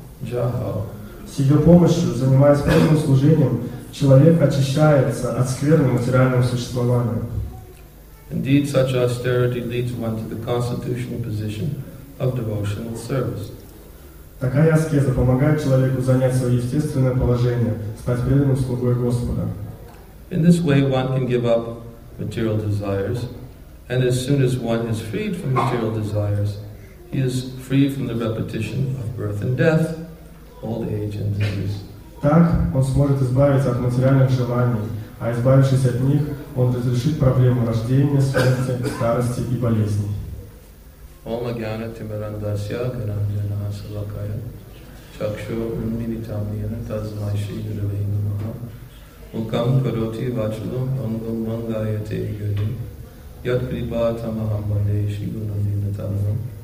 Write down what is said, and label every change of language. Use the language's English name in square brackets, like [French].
[Russian] С ее помощью, занимаясь преданным служением, человек очищается от скверны материального существования. [English] Indeed, such austerity leads one to the constitutional position of devotional service. [Russian] Такая аскеза помогает человеку занять свое естественное положение, стать преданным слугой Господа. [English] In this way, one can give up material desires, and as soon as one is freed from material desires, he is free from the repetition of birth and death. Old age and disease. [Russian] Так он сможет избавиться от материальных желаний, а избавившись от них, он разрешит проблему рождения, смерти, старости и болезней. [Sanskrit] Ом агьяна тимирандасья гананджана салакая чакшу унмилитам яна тазмай шри гуравей намаха мукам кароти вачалам ангам мангаяте гари яд крипата махамбаде шри гунандина тазмам